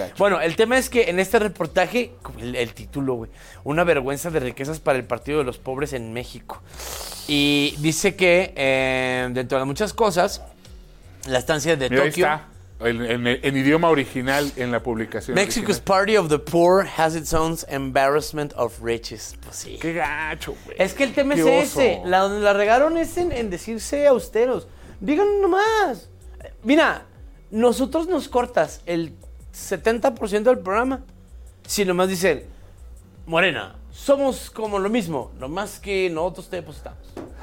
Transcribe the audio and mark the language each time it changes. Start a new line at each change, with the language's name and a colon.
Spanish: Bueno, el tema es que en este reportaje, el título, güey, una vergüenza de riquezas para el Partido de los Pobres en México. Y dice que dentro de muchas cosas, la estancia de Tokio. En idioma original, en la publicación.
English: Mexico's original. Party of the Poor has its own embarrassment of riches.
Spanish: Pues sí. Qué gacho, güey. Es que el tema es ese. La donde la regaron es en decirse austeros. Díganlo nomás. Mira, nosotros nos cortas el 70% del programa. Si nomás dicen, Morena, somos como lo mismo, nomás que nosotros te depositamos.